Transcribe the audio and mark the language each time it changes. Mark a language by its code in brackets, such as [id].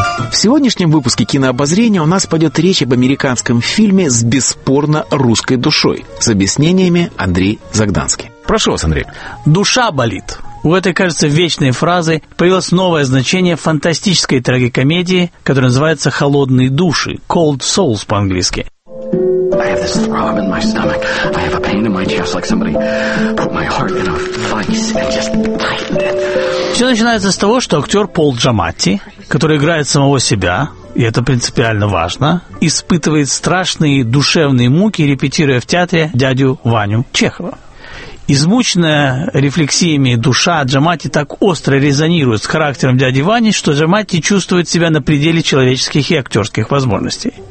[ru] В сегодняшнем выпуске «Кинообозрения» у нас пойдет речь об американском фильме с бесспорно русской душой. С объяснениями Андрей Загданский. Прошу вас, Андрей. «Душа болит». У этой, кажется, вечной фразы появилось новое значение фантастической трагикомедии, которая называется «Холодные души» – «Cold Souls» по-английски. [en] I have this throb in my stomach. I have a pain in my chest, like somebody put my heart in a vice and just tightened it. [ru] Все начинается с того, что актер Пол Джаматти, который играет самого себя, и это принципиально важно, испытывает страшные душевные муки, репетируя в театре дядю Ваню Чехова. Измученная рефлексиями душа Джаматти так остро резонирует с характером дяди Вани, что Джаматти чувствует себя на пределе человеческих и актерских возможностей.